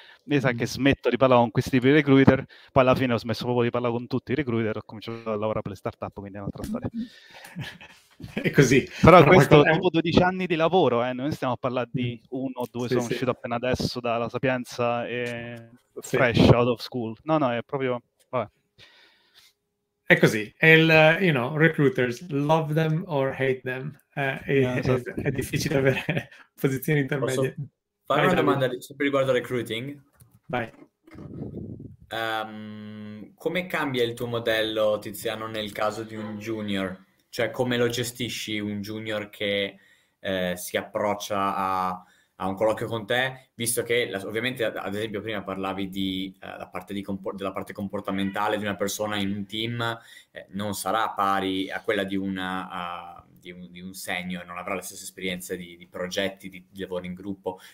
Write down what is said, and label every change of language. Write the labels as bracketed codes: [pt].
[it] Mi sa che smetto di parlare con questi tipi di recruiter. Poi alla fine ho smesso proprio di parlare con tutti i recruiter, ho cominciato a lavorare per le startup, quindi è un'altra storia. È così. Però questo dopo 12 anni di lavoro, noi stiamo a parlare di uno o due, sono uscito appena adesso dalla Sapienza e [en] fresh out of school. [it] No, è proprio... Vabbè. È così. [en] Recruiters, love them or hate them. [it] È difficile avere posizioni intermedie. Posso fare una domanda sempre riguardo al recruiting? Vai. Come cambia il tuo modello, Tiziano, nel caso di un junior? Cioè, come lo gestisci un junior che si approccia a un colloquio con te, visto che, ovviamente, ad esempio, prima parlavi della parte comportamentale di una persona in un team, non sarà pari a quella di un senior, non avrà le stesse esperienze di progetti, di lavoro in gruppo.